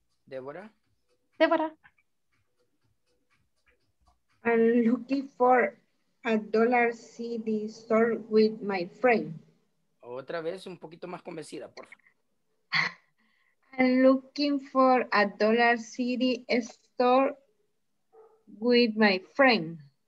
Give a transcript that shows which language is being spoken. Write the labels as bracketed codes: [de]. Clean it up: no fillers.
[es] Débora. Deborah. [en] I'm looking for a Dollar City store with my friend. [es] Otra vez, un poquito más convencida, por favor. [en] I'm looking for a Dollar City store with my friend.